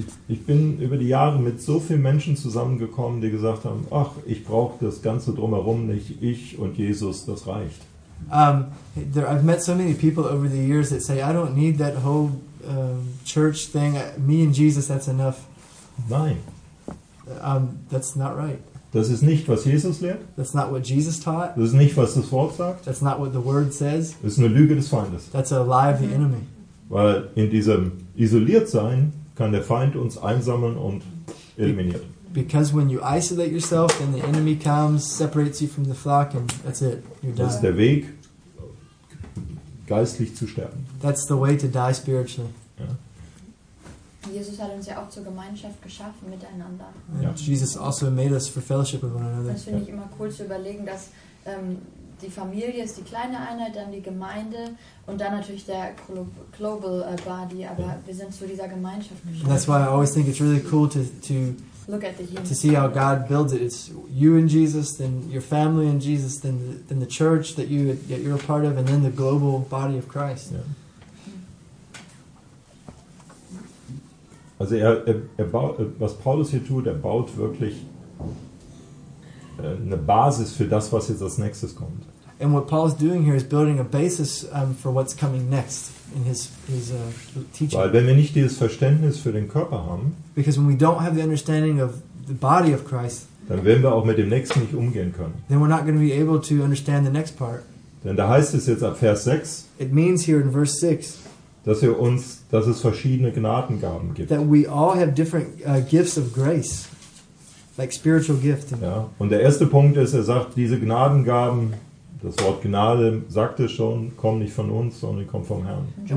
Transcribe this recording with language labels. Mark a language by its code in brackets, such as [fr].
[de] Ich bin über die Jahre mit so vielen Menschen zusammengekommen, die gesagt haben, ach, ich brauche das Ganze drumherum nicht, ich und Jesus, das reicht. [en] I've met so many people over the years that say, I don't need that whole church thing. Me and Jesus, that's enough. [de] Nein. [en] That's not right. [de] Das ist nicht, was Jesus lehrt. [en] That's not what Jesus taught. [de] Das ist nicht, was das Wort sagt. [en] That's not what the word says. [de] Das ist eine Lüge des Feindes. [en] That's a lie of the enemy. [de] Weil in diesem Isoliertsein kann der Feind uns einsammeln und eliminieren. [en] Because when you isolate yourself, then the enemy comes, separates you from the flock, and that's it. You're [de] done. Das ist der Weg, geistlich zu sterben. [en] That's the way to die spiritually. [de] Jesus hat uns ja auch zur Gemeinschaft geschaffen miteinander. [en] Yeah. Jesus also made us for fellowship with one another. [de] Das finde ich immer cool zu überlegen, dass die Familie ist die kleine Einheit, dann die Gemeinde und dann natürlich der global body, aber wir sind zu dieser Gemeinschaft geschaffen. [en] That's why I always think it's really cool to look at the unity. To see how God builds it. It's you and Jesus, then your family and Jesus, then the church that you're a part of, and then the global body of Christ. Yeah. [de] Also er baut, was Paulus hier tut, er baut wirklich eine Basis für das, was jetzt als nächstes kommt. [en] And what Paul is doing here is building a basis for what's coming next in his teaching. [de] Weil wenn wir nicht dieses Verständnis für den Körper haben, [en] because when we don't have the understanding of the body of Christ, [de] dann werden wir auch mit dem nächsten nicht umgehen können. [en] Then we're not going to be able to understand the next part. [de] Denn da heißt es jetzt ab Vers 6. [en] It means here in verse 6. [de] Dass wir uns, dass es verschiedene Gnadengaben gibt. [en] That we all have different gifts of grace, like spiritual gift. [de] Ja, und der erste Punkt ist, er sagt, diese Gnadengaben, das Wort Gnade sagt es schon, kommen nicht von uns, sondern kommen vom Herrn.